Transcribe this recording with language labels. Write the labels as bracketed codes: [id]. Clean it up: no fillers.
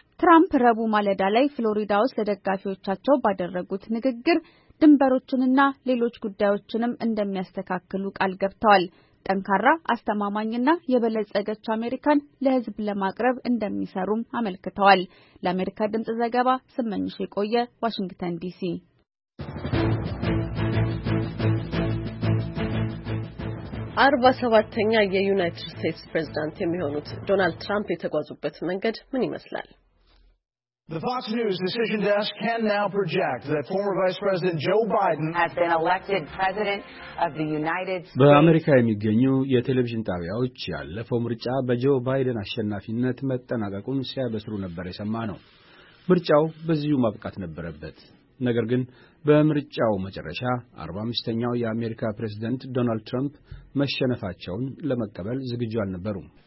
[am] ትራምፕ ረቡዕ ማለዳ ላይ ፍሎሪዳ ውስጥ ለደጋፊዎቻቸው ባደረጉት ንግግር ድንበሮችንና ሌሎች ጉዳዮችንም እንደሚያስተካክሉ ቃል ገብተዋል። ጠንካራ አስተማማኝና የበለጸገች አሜሪካን ለህዝብ ለማቅረብ እንደሚሰሩም አመልክተዋል። ለአሜሪካ ድምጽ ዘገባ ስመኝሽ የቆየ ዋሽንግተን ዲሲ። አርባሰባተኛ የዩናይትድ ስቴትስ ፕሬዝዳንት የሚሆኑት ዶናልድ ትራምፕ የተጓዙበት መንገድ ምን ይመስላል? [en] The Fox News decision desk can now project that former Vice President Joe Biden has been elected President of the United States. [am] በአሜሪካ የሚገኙ የቴሌቪዥን ጣቢያዎች ያለፈው ምርጫ በጆ ባይደን አሸናፊነት መጠናቀቁን ሲያበስሩ ነበር የሰማነው። ምርጫው በዚሁ ማብቃት ነበረበት። ነገር ግን በምርጫው መጨረሻ 45ኛው የአሜሪካ ፕሬዝዳንት ዶናልድ ትራምፕ መሸነፋቸውን ለመቀበል ዝግጁ አልነበሩ።